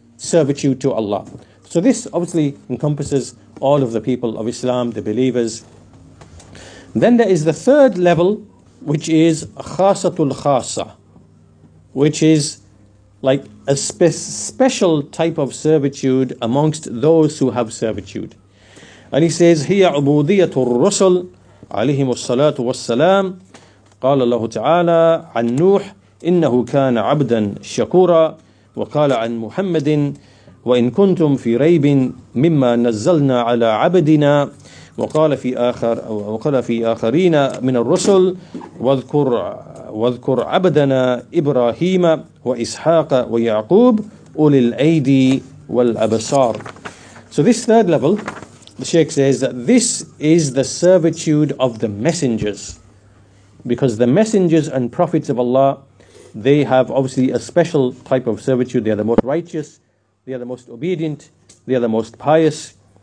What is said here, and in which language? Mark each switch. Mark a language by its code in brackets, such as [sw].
[en] servitude to Allah. So this obviously encompasses all of the people of Islam, the believers. Then there is the third level, which is khasatul khasa, which is like a special type of servitude amongst those who have servitude. [ar] And he says, هي عبودية الرسل عليهم الصلاة والسلام قال الله تعالى عن نوح إنه كان عبدا شكورا وقال عن محمد وإن كنتم في ريب مما نزلنا على عبدنا وقال في آخر وقال في آخرين من الرسل واذكر عبدنا إبراهيم وإسحاق ويعقوب أولي الأيدي والأبصار. [en] So this third level, the Sheikh says that this is the servitude of the messengers, because the messengers and prophets of Allah, they have obviously a special type of servitude. They are the most righteous, they are the most obedient, they are the most pious.